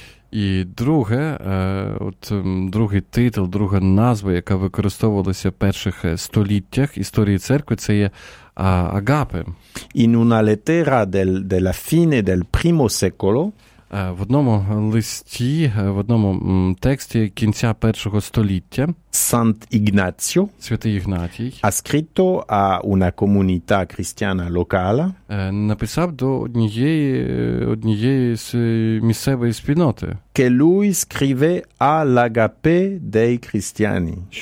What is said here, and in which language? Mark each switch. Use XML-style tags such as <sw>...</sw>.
<uk>І друге, от другий титул, друга назва, яка використовувалася в перших століттях історії церкви, це є Агапе.</uk> <it>In una lettera della fine del primo secolo,</it> <uk>в одному листі, в одному тексті кінця першого століття,</uk> <it>Sant'Ignazio,</it> <uk>Святий Ігнатій,</uk> <it>ha scritto a una comunità cristiana locale,</it> <uk>написав до однієї з місцевої спільноти,</uk> <it>che lui scrive all'agape dei cristiani,</it>